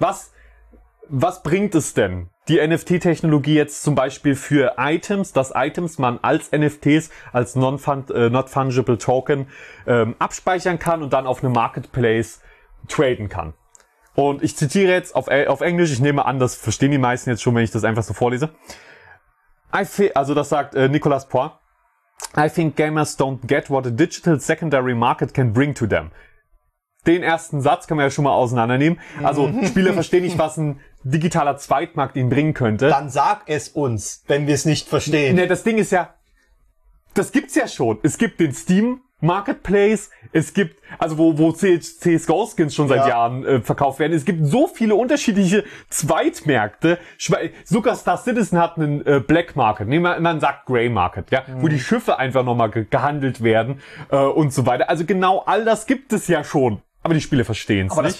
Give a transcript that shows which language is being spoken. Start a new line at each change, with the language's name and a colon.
German: Was bringt es denn, die NFT-Technologie jetzt zum Beispiel für Items, dass Items man als NFTs, als Not-Fungible Token abspeichern kann und dann auf einem Marketplace traden kann? Und ich zitiere jetzt auf Englisch, ich nehme an, das verstehen die meisten jetzt schon, wenn ich das einfach so vorlese. Das sagt Nicolas Poir.
English: I think gamers don't get what a digital secondary market can bring to them.
German: Den ersten Satz kann man ja schon mal auseinandernehmen. Also Spieler verstehen nicht, was ein digitaler Zweitmarkt ihnen bringen könnte. Dann sag es uns, wenn wir es nicht verstehen. Ne, das Ding ist ja, das gibt's ja schon. Es gibt den Steam Marketplace, es gibt, also wo CSGO-Skins schon seit Jahren verkauft werden, es gibt so viele unterschiedliche Zweitmärkte, sogar Star Citizen hat einen Black Market, man sagt Grey Market, ja, wo die Schiffe einfach nochmal gehandelt werden und so weiter, also genau all das gibt es ja schon, aber die Spiele verstehen es nicht.